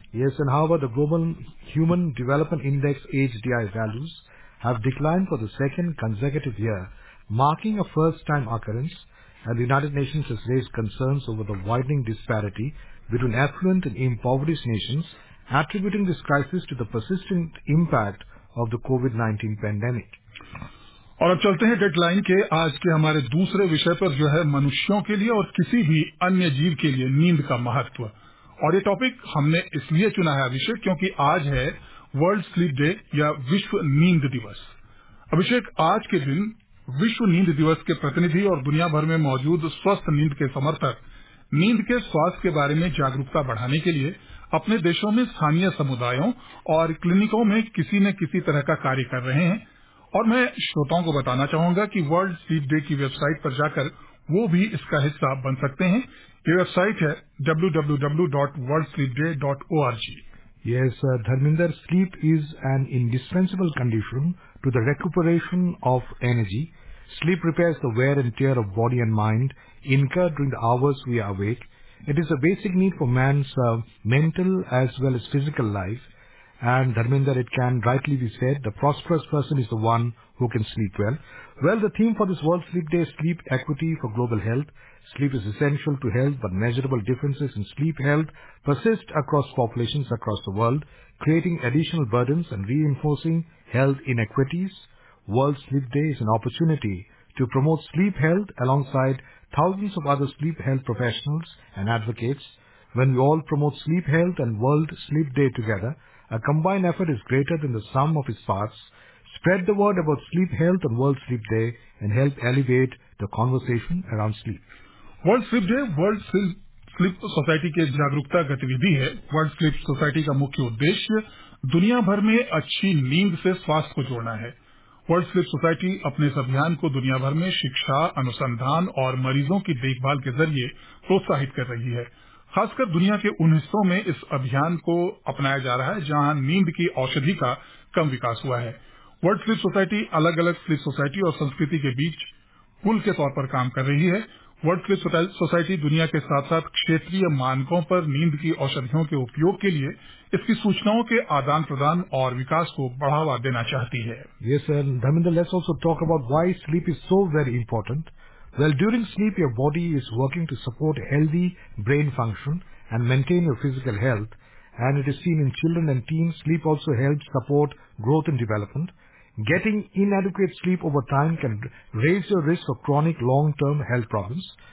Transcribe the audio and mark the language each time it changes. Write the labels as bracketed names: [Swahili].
[English] Yes, and however, the Global Human Development Index HDI values have declined for the second consecutive year, marking a first-time occurrence, and the United Nations has raised concerns over the widening disparity between affluent and impoverished nations, attributing this crisis to the persistent impact of the COVID-19 pandemic. [Hindi] और अब चलते हैं deadline के आज के हमारे दूसरे विषय पर, जो है मनुष्यों के लिए और किसी भी अन्य जीव के लिए नींद का महत्व। और ये टॉपिक हमने इसलिए चुना है अभिषेक, क्योंकि आज है वर्ल्ड स्लीप डे या विश्व नींद दिवस। अभिषेक, आज के दिन विश्व नींद दिवस के प्रतिनिधि और दुनिया भर में मौजूद स्वस्थ नींद के समर्थक नींद के स्वास्थ्य के बारे में जागरूकता बढ़ाने के लिए अपने देशों में स्थानीय समुदायों और क्लिनिकों में किसी न किसी तरह का कार्य कर रहे हैं। और मैं श्रोताओं को बताना चाहूंगा कि वर्ल्ड स्लीप डे की वेबसाइट पर जाकर वो भी इसका हिस्सा बन सकते हैं। ये वेबसाइट है www.worldsleepday.org। [English] Yes, Dharminder, sleep is an indispensable condition to the recuperation of energy. Sleep repairs the wear and tear of body and mind incurred during the hours we are awake. It is a basic need for man's mental as well as physical life. And Dharminder, it can rightly be said, the prosperous person is the one who can sleep well. Well, the theme for this World Sleep Day is Sleep Equity for Global Health. Sleep is essential to health, but measurable differences in sleep health persist across populations across the world, creating additional burdens and reinforcing health inequities. World Sleep Day is an opportunity to promote sleep health alongside thousands of other sleep health professionals and advocates. When we all promote sleep health and World Sleep Day together, a combined effort is greater than the sum of its parts. Spread the word about sleep health on World Sleep Day and help elevate the conversation around sleep. [Hindi] World Sleep Day, World Sleep Society के जागरूकता गतिविधि है। World Sleep Society का मुख्य उद्देश्य दुनिया भर में अच्छी नींद से स्वास्थ्य को जोड़ना है। World Sleep Society अपने इस अभियान को दुनिया भर में शिक्षा, अनुसंधान और मरीजों की देखभाल के जरिए प्रोत्साहित कर रही है। खासकर दुनिया के उन हिस्सों में इस अभियान को अपनाया जा रहा है जहां नींद की औषधि का कम विकास हुआ है। वर्ल्ड स्लीप सोसाइटी अलग अलग स्लीप सोसाइटी और संस्कृति के बीच पुल के तौर पर काम कर रही है। वर्ल्ड स्लीप सोसाइटी दुनिया के साथ साथ क्षेत्रीय मानकों पर नींद की औषधियों के उपयोग के लिए इसकी सूचनाओं के आदान प्रदान और विकास को बढ़ावा देना चाहती है। [English] ये sir, Dharmendra, let's also talk about why sleep is so very important. Well, during sleep, your body is working to support healthy brain function and maintain your physical health, and it is seen in children and teens. Sleep also helps support growth and development. Getting inadequate sleep over time can raise your risk of chronic long-term health problems.